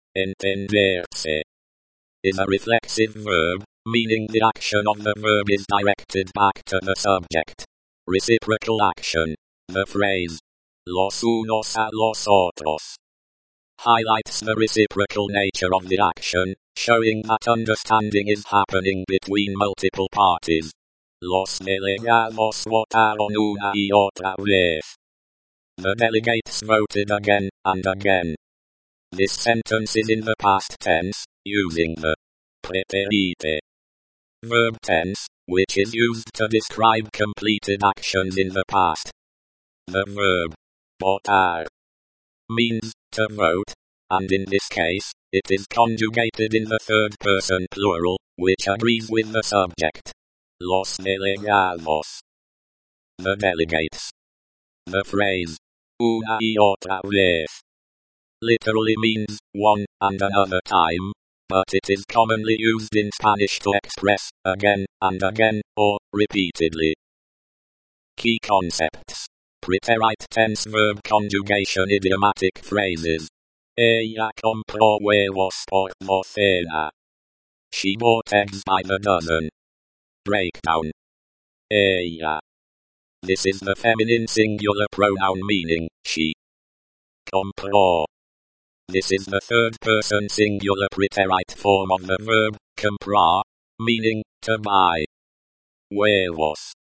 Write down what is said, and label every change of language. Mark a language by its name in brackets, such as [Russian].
[English] Entenderse. Is a reflexive verb, meaning the action of the verb is directed back to the subject. Reciprocal action. The phrase. [Spanish] Los unos a los otros. [English] Highlights the reciprocal nature of the action, showing that understanding is happening between multiple parties. [Spanish] Los delegados votaron una y otra vez. [English] The delegates voted again and again. This sentence is in the past tense, using the preterite. Verb tense, which is used to describe completed actions in the past. The verb votar means to vote, and in this case, it is conjugated in the third person plural, which agrees with the subject. [Spanish] Los delegados. [English] The delegates. The phrase [Spanish] una y otra vez [English] literally means one and another time, but it is commonly used in Spanish to express again and again or repeatedly. Key concepts. Preterite tense verb conjugation idiomatic phrases. [Spanish] Ella compró huevos por docena. [English] She bought eggs by the dozen. Breakdown. Ella. This is the feminine singular pronoun meaning she. Compró. This is the third person singular preterite form of the verb comprar, meaning to buy. Huevos.